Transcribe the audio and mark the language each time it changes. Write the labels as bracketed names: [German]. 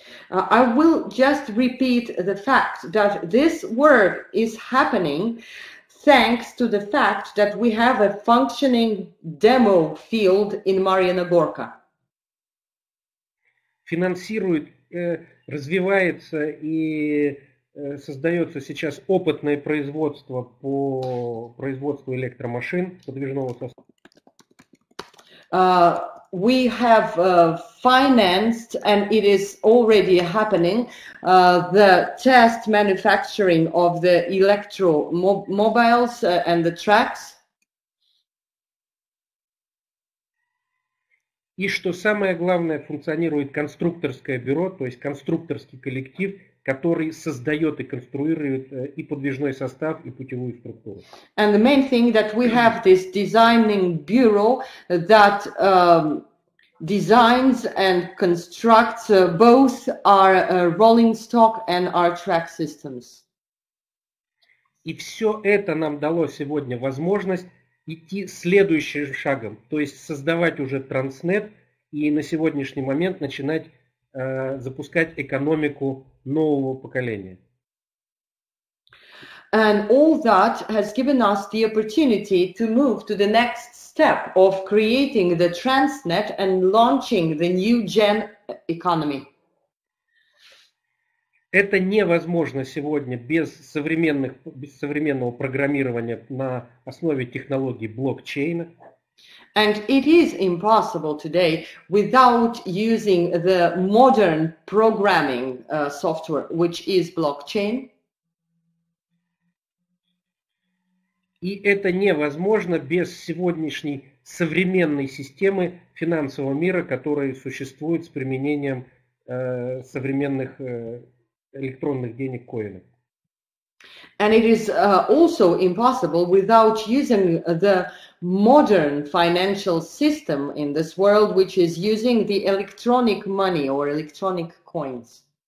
[English] I will just repeat the fact that this work is happening thanks to the fact that we have a functioning demo field in Марьина Горка. [Russian] Финансирует, развивается и создается сейчас опытное производство по производству электромашин подвижного состава. [English] We have financed, and it is already happening, the test manufacturing of the electromobiles and the tracks. [Russian] И что самое главное, функционирует конструкторское бюро, то есть конструкторский коллектив, который создает и конструирует и подвижной состав, и путевую структуру. [English] And the main thing that we have this designing bureau that designs and constructs both our rolling stock and our track systems. [Russian] И все это нам дало сегодня возможность идти следующим шагом, то есть создавать уже Transnet и на сегодняшний момент начинать запускать экономику нового поколения. [English] And all that has given us the opportunity to move to the next step of creating the Transnet and launching the new gen economy. [Russian] Это невозможно сегодня без современного программирования на основе технологии блокчейна. [English] And it is impossible today without using the modern programming software, which is blockchain. [Russian] И это невозможно без сегодняшней современной системы финансового мира, которая существует с применением современных электронных денег коинов. [English] And it is also impossible without using the modern financial system in this world, which is using the electronic money or electronic coins.